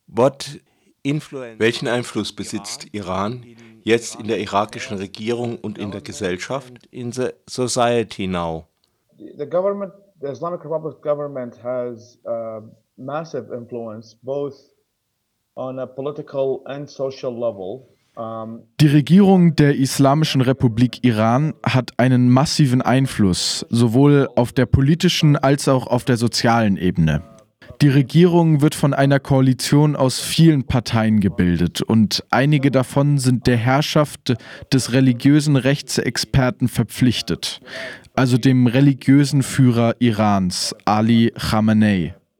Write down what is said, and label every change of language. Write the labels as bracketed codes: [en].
[de] Welchen Einfluss besitzt Iran jetzt in der irakischen Regierung und in der Gesellschaft? [en] In the society now. The government, the Islamic Republic government has massive influence both on a political and social level. [de] Die Regierung der Islamischen Republik Iran hat einen massiven Einfluss, sowohl auf der politischen als auch auf der sozialen Ebene. Die Regierung wird von einer Koalition aus vielen Parteien gebildet und einige davon sind der Herrschaft des religiösen Rechtsexperten verpflichtet, also dem religiösen Führer Irans, Ali Khamenei.